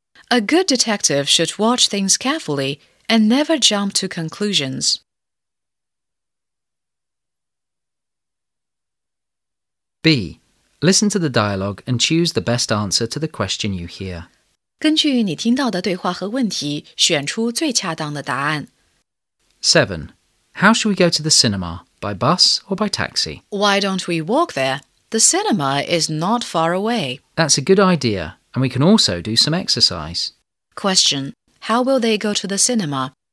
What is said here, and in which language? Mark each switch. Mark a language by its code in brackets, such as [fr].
[en] A good detective should watch things carefully and never jump to conclusions. 7. Listen to the dialogue and choose the best answer to the question you hear. [zh] 根据你听到的对话和问题，选出最恰当的答案。 [en] 7. How should we go to the cinema? By bus or by taxi? Why don't we walk there? The cinema is not far away. That's a good idea, and we can also do some exercise. Question. How will they go to the cinema?